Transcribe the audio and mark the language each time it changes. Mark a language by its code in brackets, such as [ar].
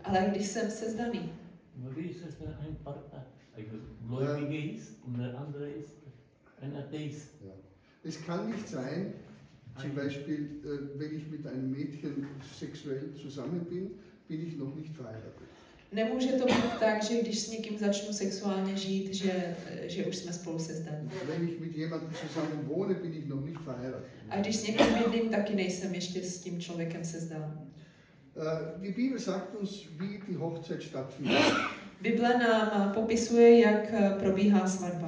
[cs] Ale když jsem sezdaný. Když jsem se [de] ein Partner, ein Gläubiger ist und der andere ist ein Atheist. Ja. Es kann nicht sein, zum Beispiel, wenn ich mit einem Mädchen sexuell zusammen bin, bin ich noch nicht verheiratet. [cs] Nemůže to být tak, že když s někým začnu sexuálně žít, že už jsme spolu sezdaní. A když s někým bydlím, taky nejsem ještě s tím člověkem sezdán. [de] Die Bibel sagt uns, wie die Hochzeit stattfindet. [cs] Bible nám popisuje, jak probíhá svatba.